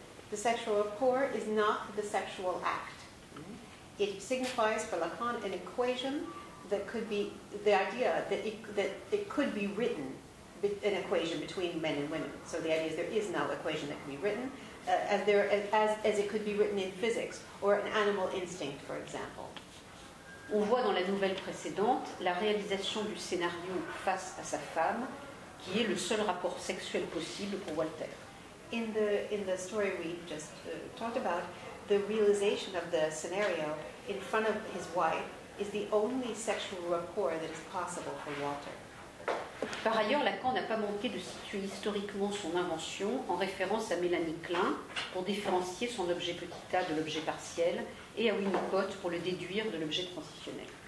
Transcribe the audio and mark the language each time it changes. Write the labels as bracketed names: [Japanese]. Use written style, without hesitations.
[English] The sexual rapport is not the sexual act. It signifies for Lacan an equation that could be the idea that it could be written, an equation between men and women. So the idea is there is no equation that can be written, as it could be written in physics or an animal instinct, for example. [French] On voit dans la nouvelle précédente la réalisation du scénario face à sa femme, qui est le seul rapport sexuel possible pour Walter. [English] In the story we just talked about, the realization of the scenario in front of his wife is the only sexual rapport that is possible for Walter. [French] Par ailleurs, Lacan n'a pas manqué de situer historiquement son invention en référence à Mélanie Klein pour différencier son objet petit a de l'objet partiel et à Winnicott pour le déduire de l'objet transitionnel.